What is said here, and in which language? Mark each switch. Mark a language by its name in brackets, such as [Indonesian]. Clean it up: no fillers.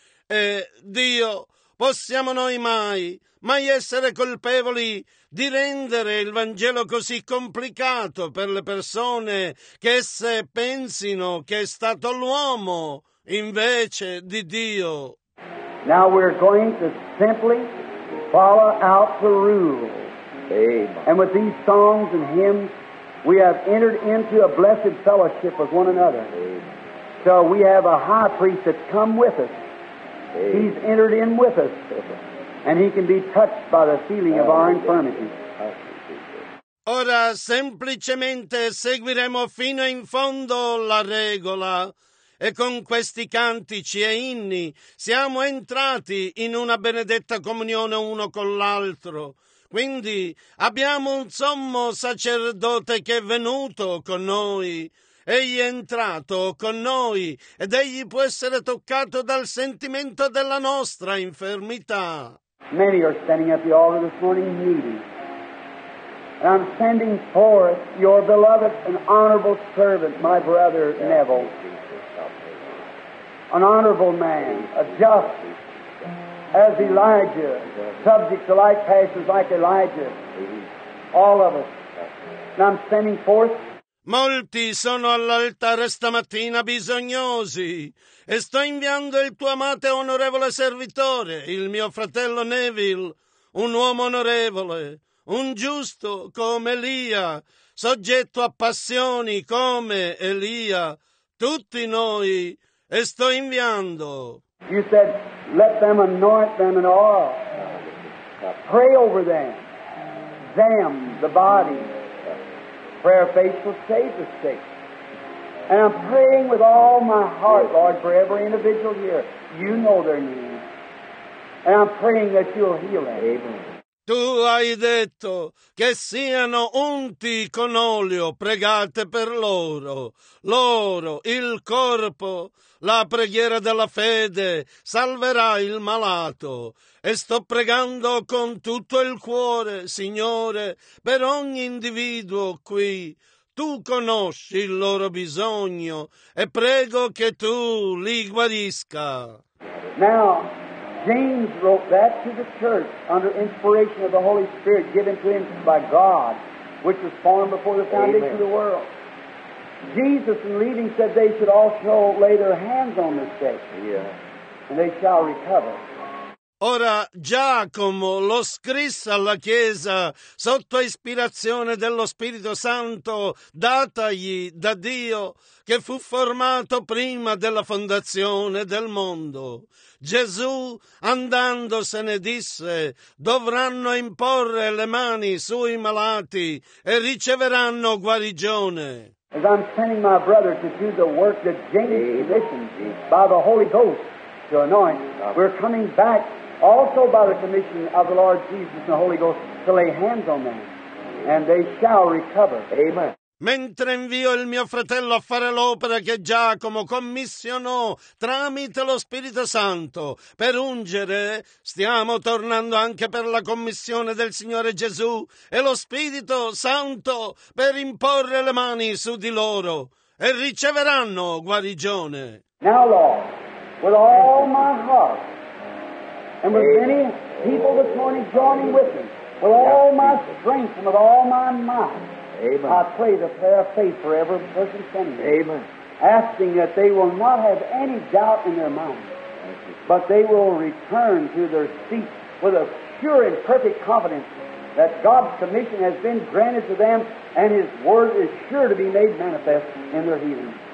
[Italian] E Dio, possiamo noi mai essere colpevoli di rendere il Vangelo così complicato per le persone che esse pensino che è stato l'uomo invece di Dio? [English] Now we're going to simply follow out the rule. Amen. And with these songs and hymns, we have entered into a blessed fellowship with one another. Amen. So we have a high priest that's come with us. Amen. He's entered in with us. And he can be touched by the feeling of our infirmity. [Italian] Ora semplicemente seguiremo fino in fondo la regola. E con questi cantici e inni siamo entrati in una benedetta comunione uno con l'altro. Quindi abbiamo un sommo sacerdote che è venuto con noi. Egli è entrato con noi ed egli può essere toccato dal sentimento della nostra infermità. [English] Many are standing at the altar this morning needy. And I'm sending forth your beloved and honorable servant, my brother Neville. An honorable man, a just, as Elijah, subject to like passions like Elijah. All of us. And I'm sending forth. [Italian] Molti sono all'altare stamattina bisognosi. E sto inviando il tuo amato e onorevole servitore, il mio fratello Neville, un uomo onorevole, un giusto come Elia, soggetto a passioni come Elia, tutti noi, e sto inviando. [English] You said, let them anoint them in oil. Pray over them. Them, the body. Prayer, faith, will save the sick. And I'm praying with all my heart, Lord, for every individual here. You know their needs. And I'm praying that you'll heal them. Amen. [Italian] Tu hai detto che siano unti con olio, pregate per loro, loro, il corpo, la preghiera della fede salverà il malato. E sto pregando con tutto il cuore, Signore, per ogni individuo qui. Tu conosci il loro bisogno e prego che tu li guarisca. [English] Now, James wrote that to the church under inspiration of the Holy Spirit given to him by God, which was formed before the foundation of the world. Jesus, in leaving, said they should also lay their hands on the sick, and they shall recover. [Italian] Ora Giacomo lo scrisse alla Chiesa sotto ispirazione dello Spirito Santo datagli da Dio che fu formato prima della fondazione del mondo. Gesù andandosene disse: dovranno imporre le mani sui malati e riceveranno guarigione. [English] As I'm sending my brother to do the work that James commissioned by the Holy Ghost to anoint, we're coming back also by the commission of the Lord Jesus and the Holy Ghost to lay hands on them, and they shall recover. Amen. [Italian] Mentre invio il mio fratello a fare l'opera che Giacomo commissionò tramite lo Spirito Santo per ungere, stiamo tornando anche per la commissione del Signore Gesù e lo Spirito Santo per imporre le mani su di loro e riceveranno guarigione. [English] Now, Lord, with all my heart, and with many people this morning joining with me, with all my strength and with all my mind, amen, I pray the prayer of faith for every person sending me, amen, asking that they will not have any doubt in their mind, but they will return to their seat with a sure and perfect confidence that God's commission has been granted to them and His word is sure to be made manifest in their healing.